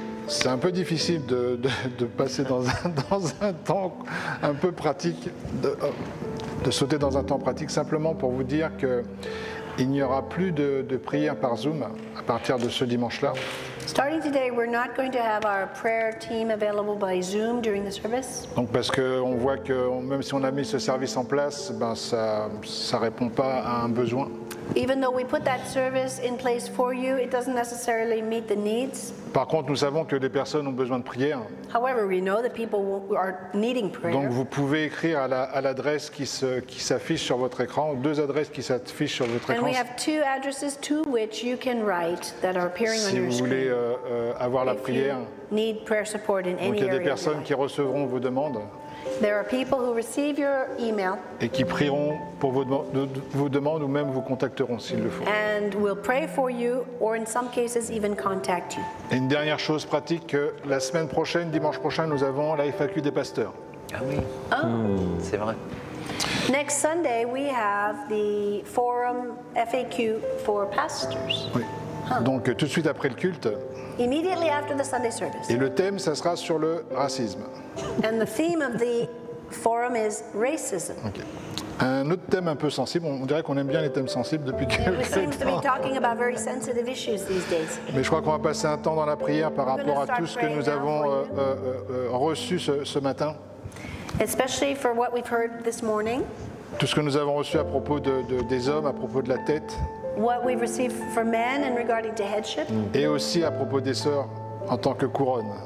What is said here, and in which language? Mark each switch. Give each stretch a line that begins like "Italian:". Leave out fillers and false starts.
French: C'est un peu difficile de passer dans un temps un peu pratique, de sauter dans un temps pratique, simplement pour vous dire qu'il n'y aura plus de prière par Zoom à partir de ce dimanche-là.
English: Starting today, we're not going to have our prayer team available by Zoom during the service.
French: Donc parce que on voit que même si on a mis ce service en place, ben ça répond pas à un besoin.
English: Even though we put that service in place for you, it doesn't necessarily meet the needs.
French: Par contre, nous savons que des personnes ont besoin de prière.
English: However, we know that people are needing prayer.
French: Donc vous pouvez écrire à l'adresse qui s'affiche sur votre écran, deux adresses qui s'affichent sur votre écran.
English: And we have two addresses to which you can write that are appearing
French: si
English: on your
French: vous
English: screen.
French: Avoir la prière.
English: Need prayer support in any
French: Donc, il y a des personnes qui recevront vos demandes.
English: There are people who receive your email.
French: Et qui prieront pour vos demandes ou même vous contacteront s'il le faut.
English: And will pray for you or in some cases even contact you.
French: Et une dernière chose pratique, la semaine prochaine, dimanche prochain, nous avons la FAQ des pasteurs. Ah oui. Oh. Mm. C'est vrai.
English: Next Sunday we have the forum FAQ for pastors.
French: Oui. Huh. Donc tout de suite après le culte.
English: Immediately after the Sunday service.
French: Et le thème, ça sera sur le racisme.
English: And the theme of the forum is racism. Okay.
French: Un autre thème un peu sensible. On dirait qu'on aime bien les thèmes sensibles depuis quelques temps.
English: We seem to be talking about very sensitive issues these days.
French: Mais je crois qu'on va passer un temps dans la prière par rapport à tout ce que nous avons reçu ce matin.
English: Especially for what we've heard this morning.
French: Tout ce que nous avons reçu à propos des hommes, à propos de la tête.
English: What we've received for men and regarding to headship.
French: Et aussi à propos des sœurs en tant que couronne.